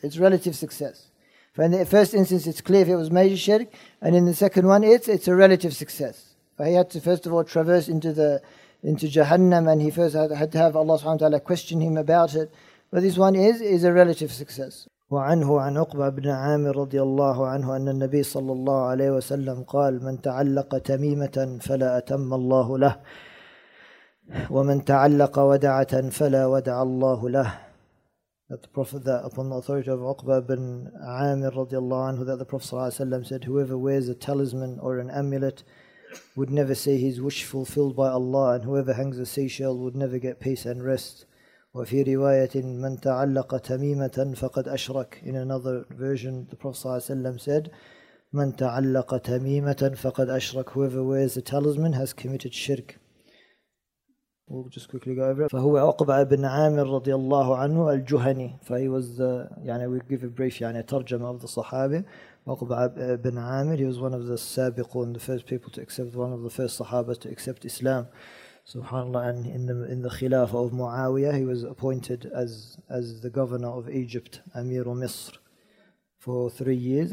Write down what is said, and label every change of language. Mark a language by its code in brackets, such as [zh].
[en] It's relative success. For in the first instance, it's clear if it was major shirk, and in the second one, it's a relative success. But he had to first of all traverse into Jahannam, and he first had to have Allah subhanahu wa ta'ala question him about it. But this one is a relative success. [ar] وعنه عن عقبة بن عامر رضي الله عنه أن النبي صلى الله عليه وسلم قال من تعلق تميمة فلا أتم الله له ومن تعلق ودعة فلا ودع الله له. [en] That the Prophet, that upon the authority of Uqba bin Amir رضي الله عنه, that the Prophet صلى الله عليه وسلم said, whoever wears a talisman or an amulet would never see his wish fulfilled by Allah, and whoever hangs a seashell would never get peace and rest. [ar] وفي رواية من تعلق تميمة فقد أشرك. [en] In another version, the Prophet صلى الله عليه وسلم said, [ar] من تعلق تميمة فقد أشرك. [en] Whoever wears a talisman has committed shirk. We'll just quickly go over it. [ar] فهو عقبة بن عامر رضي الله عنه الجهني. [en] For he was the, يعني we give a brief, يعني ترجمة of the Sahabi. Uqba ibn Amir, he was one of the sabiqun, the first people to accept, one of the first sahaba to accept Islam, subhanAllah. And in the khilafah of Muawiyah, he was appointed as the governor of Egypt, Amir al-Misr, for 3 years.